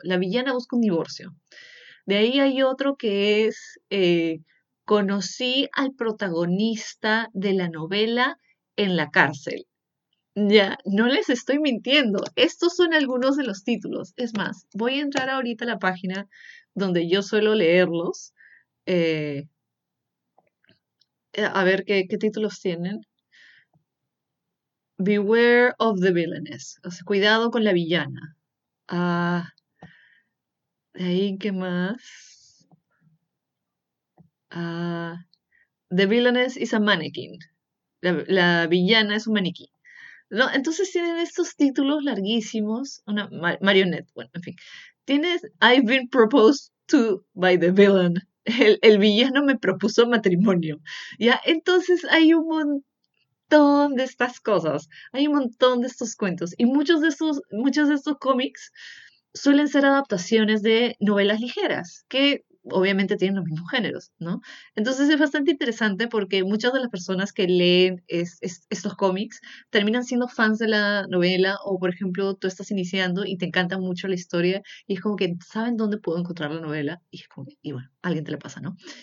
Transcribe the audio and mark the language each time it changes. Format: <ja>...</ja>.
<es>La villana busca un divorcio. De ahí hay otro que es, conocí al protagonista de la novela en la cárcel. Ya, no les estoy mintiendo. Estos son algunos de los títulos. Es más, voy a entrar ahorita a la página donde yo suelo leerlos. A ver qué títulos tienen.</es> <en>Beware of the villainess.</en> <es>O sea, cuidado con la villana. Ah, de ahí, ¿qué más?</es> <en>Ah, the villainess is a mannequin.</en> <es>La villana es un maniquí. No, entonces tienen estos títulos larguísimos. Una marionette, bueno, en fin. Tienes</es> <en>I've been proposed to by the villain.</en> <es>El villano me propuso matrimonio. Ya, entonces hay un montón de estas cosas, hay un montón de estos cuentos y muchos de estos cómics suelen ser adaptaciones de novelas ligeras que obviamente tienen los mismos géneros, ¿no? Entonces es bastante interesante porque muchas de las personas que leen estos cómics terminan siendo fans de la novela o, por ejemplo, tú estás iniciando y te encanta mucho la historia y es como que saben dónde puedo encontrar la novela y es como que, y bueno, a alguien te la pasa, ¿no?</es>